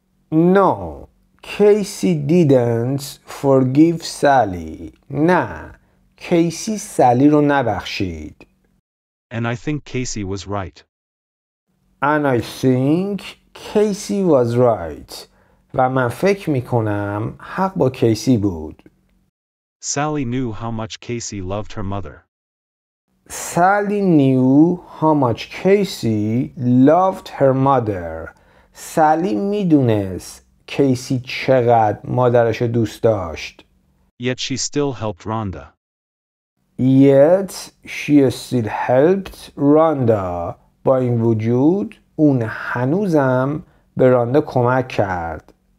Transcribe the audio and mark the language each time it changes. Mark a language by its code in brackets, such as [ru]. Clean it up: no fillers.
[en] No, Casey didn't forgive Sally. [fa] نه, کیسی سالی رو نبخشید. [en] And I think Casey was right. And I think Casey was right. [fa] و من فکر میکنم حق با کیسی بود. [en] Sally knew how much Casey loved her mother. Sally knew how much Casey loved her mother. [fa] Sally میدونست کیسی چقدر مادرش رو دوست داشت. [en] Yet she still helped Rhonda. Yet she still helped Rhonda. [fa] با این وجود اون هنوزم به راندا کمک کرد.